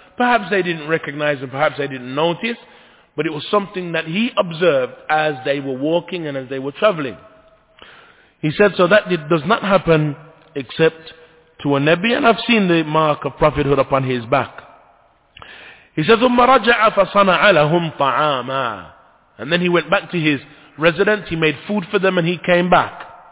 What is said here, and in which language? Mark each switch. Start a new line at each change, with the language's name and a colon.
English: Perhaps they didn't recognize him, perhaps they didn't notice, but it was something that he observed as they were walking and as they were traveling. He said, "So that does not happen except to a Nabi, and I've seen the mark of prophethood upon his back." He said,
Arabic: "ثُمَّ رَجَعَ فَصَنَعَ لَهُمْ طَعَامًا."
English: And then he went back to his resident, he made food for them, and he came back.